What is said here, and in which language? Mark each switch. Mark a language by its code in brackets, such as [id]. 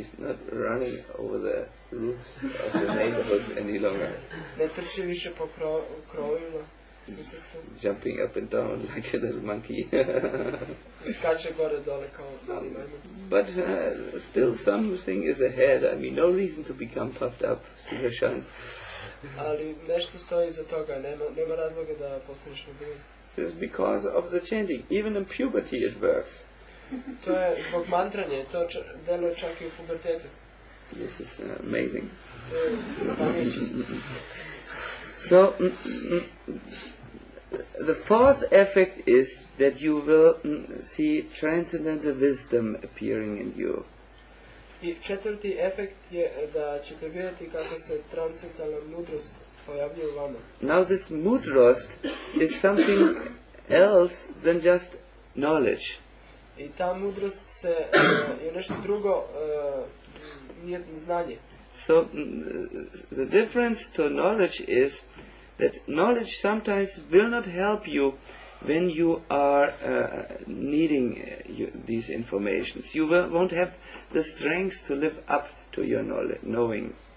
[en] He's not running over the roofs of the neighborhood any longer. [sr] Ne trči više po krovima, susjedstvo. [en] Jumping up and down like a little monkey. [sr] Skače gore dole kao mali majmun. [en] But still something is ahead. I mean, no reason to become puffed up, Sudarshan. [sr] Ali nešto stoji iza toga, nema razloga da postaneš nebun. [en] This is because of the chanting. Even in puberty it works. [sr] To je zbog mantranja, to deluje čak i u pubertetu. [en] This is amazing. [sr] To je [en] so, the fourth effect is that you will see transcendental wisdom appearing in you. [sr] I četvrti efekt je da ćete vidjeti kako se transcendentalna mudrost pojavljuje u vama. [en] Now this mudrost is something else than just knowledge. [sr] I ta mudrost se je nešto drugo, nije znanje. [en] So the difference to knowledge is that knowledge sometimes will not help you when you are needing these informations. You won't have the strength to live up to your knowing.